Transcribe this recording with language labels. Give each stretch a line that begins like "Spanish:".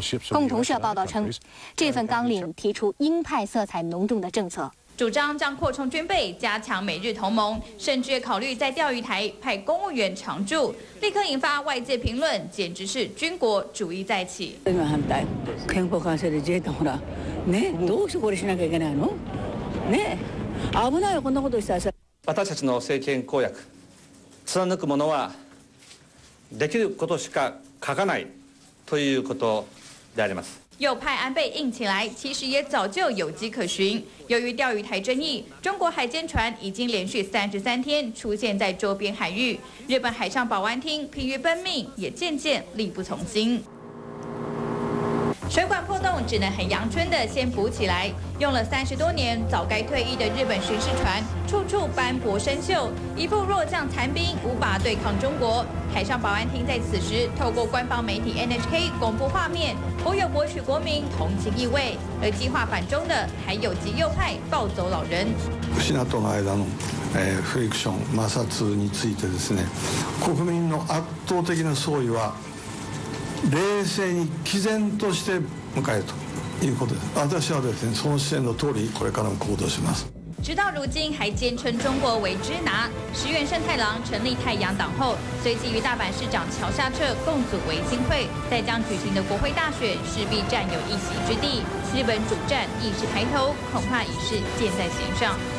Chinese: 共同社报道称，这份纲领提出鹰派色彩浓重的政策，主张将扩充军备、加强美日同盟，甚至考虑在钓鱼台派公务员常驻，立刻引发外界评论，简直是军国主义再起。
Japanese: 今反対、憲法改正で自衛隊ほら、ね、どうしてこれしなきゃいけないの？ね、危ないよこんなことしたら。私たちの政権公約、貫くものはできることしか書かないということであります。
Chinese: 右派安倍硬起来，其实也早就有迹可循。由于钓鱼台争议，中国海监船已经连续33天出现在周边海域，日本海上保安厅疲于奔命，也渐渐力不从心。水管破洞只能很阳春的先补起来，用了30多年早该退役的日本巡视船处处斑驳生锈，一副弱将残兵无法对抗中国。海上保安厅在此时透过官方媒体 NHK 公布画面，颇有博取国民同情意味。而计划反中的还有极右派暴走老人，
Japanese: シナとの間のフリクション摩擦についてですね、国民の圧倒的な総意は冷静に毅然として迎えるということです。私はですね、その姿勢の通りこれからも行動します。
Chinese: 直到如今还坚称中国为支拿，石原慎太郎成立太阳党后，随即与大阪市长桥下彻共组维新会，在将举行的国会大选势必占有一席之地。日本主战意识抬头，恐怕已是箭在弦上。